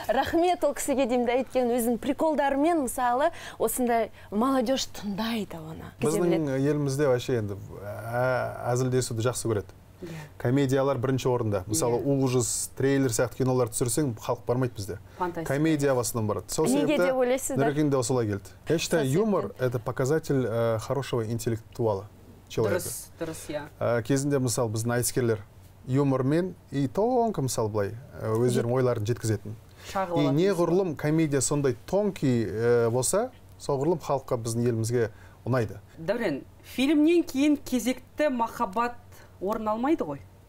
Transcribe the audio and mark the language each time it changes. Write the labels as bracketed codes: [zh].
[kk] Рахмет ол кісіге деймін, айтқан өзінің приколдарымен мысалы, осындай молодежь тыңдайды оны. Біздің елімізде вообще енді әзілдесуді жақсы көреді. Комедиялар бірінші орында. Мысалы, ужас, трейлер сияқты кинолар түсірсең, халық бармайды бізде. Комедия басынан барады. Сол себепті, Нұрекен де осылай келді. [ru] Я считаю, юмор – это показатель хорошего интеллектуала человека. [kk] Дұрыс, дұрыс, я. Кезінде, мысалы, біздің айтыскерлер юмормен [ru] и тонко, [kk] мысалы, былай, өздерің ойларын жеткізетін. И не ғұрлым комедия сондай тонкий болса, сол ғұрлым халыққа біздің елімізге ұнайды. Дәурен, фильмнен кейін кезекті махаббат орын алмайды ғой.